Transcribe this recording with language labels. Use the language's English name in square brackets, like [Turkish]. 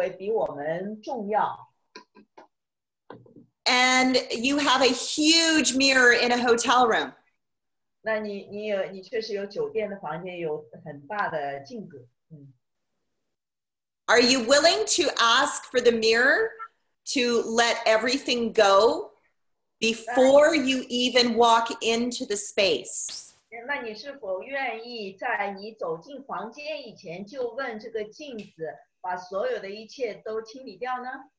[Chinese] 如果我们把外在的事物视为比我们重要。 [English] And you have a huge mirror in a hotel room. [Chinese] 那你确实有酒店的房间，有很大的镜子。 [English] Are you willing to ask for the mirror to let everything go before you even walk into the space? [Chinese] 那你是否愿意在你走进房间以前就问这个镜子，把所有的一切都清理掉呢？